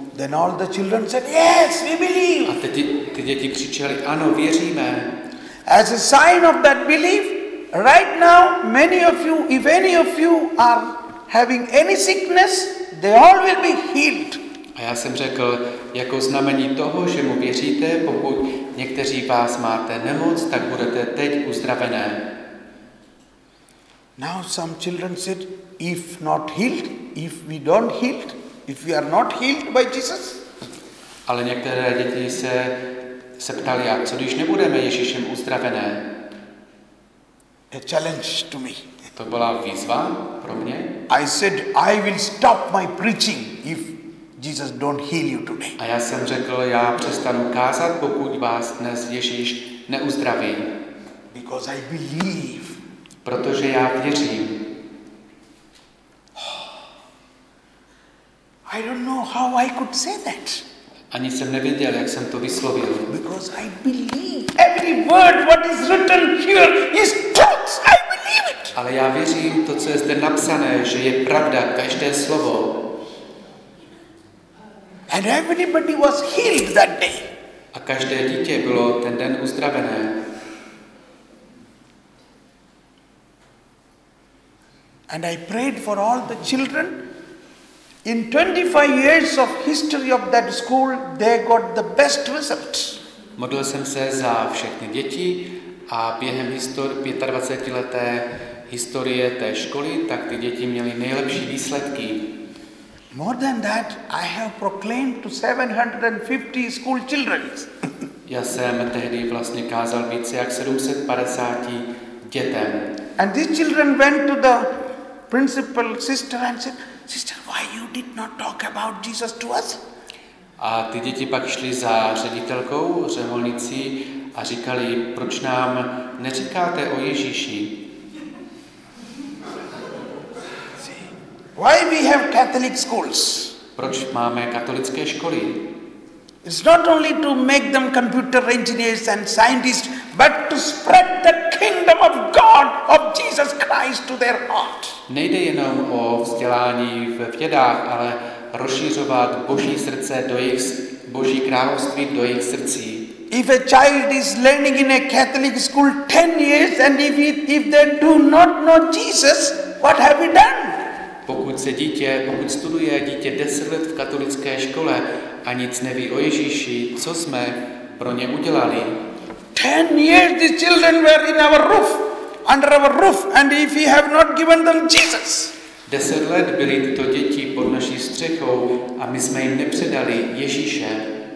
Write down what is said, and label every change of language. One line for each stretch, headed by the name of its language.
English: Then all the children said, yes, we believe.
Czech: A ty děti křičeli, ano, věříme.
English: As a sign of that belief, right now, many of you, if any of you are having any sickness, they all will be healed.
Czech: A já jsem řekl, jako znamení toho, že mu věříte, pokud někteří vás máte nemoc, tak budete teď uzdravené.
English: Now some children said, if not healed, if we don't healed, if we are not healed by Jesus.
Czech: Ale některé děti se ptali, a co když nebudeme Ježíšem uzdravené?
English: A challenge to me.
Czech: To byla výzva pro mě.
English: I said, I will stop my preaching if Jesus don't heal you today.
Czech: A já jsem řekl, já přestanu kázat, pokud vás dnes Ježíš neuzdraví.
English: Because I believe.
Czech: Protože já věřím.
English: I don't know how I could say that.
Czech: Ani jsem nevěděl, jak jsem to vyslovil.
English: Because I believe every word what is written here is truth. I believe it.
Czech: Ale já věřím to, co je zde napsané, že je pravda každé slovo.
English: And everybody was healed that day.
Czech: A každé dítě bylo ten den uzdravené.
English: And I prayed for all the children. In 25 years of history of that school, they got the best results.
Czech: Modlil jsem se za všechny děti a během 25 leté historie té školy, tak ty děti měly nejlepší výsledky.
English: More than that, I have proclaimed to 750 school children.
Czech: Já jsem tehdy vlastně kázal více jak 750 dětem.
English: And these children went to the principal sister and said, sister, why you did not talk about Jesus to us?
Czech: A ty děti pak šli za ředitelkou, řeholnicí a říkali, proč nám neříkáte o Ježíši?
English: Why we have Catholic schools?
Czech: Proč máme katolické školy?
English: It's not only to make them computer engineers and scientists, but to spread the kingdom of God, of Jesus Christ to their heart.
Czech: Nejde jenom o vzdělání v vědách, ale rozšířovat Boží srdce do jejich Boží království do jejich srdcí.
English: If a child is learning in a Catholic school 10 years and if they do not know Jesus, what have we done?
Czech: se dítě, pokud studuje dítě 10 let v katolické škole a nic neví o Ježíši, co jsme pro ně udělali?
English: 10 years these children were in our roof, under our roof, and if we have not given them Jesus.
Czech: 10 let byly tyto děti pod naší střechou a my jsme jim nepředali Ježíše.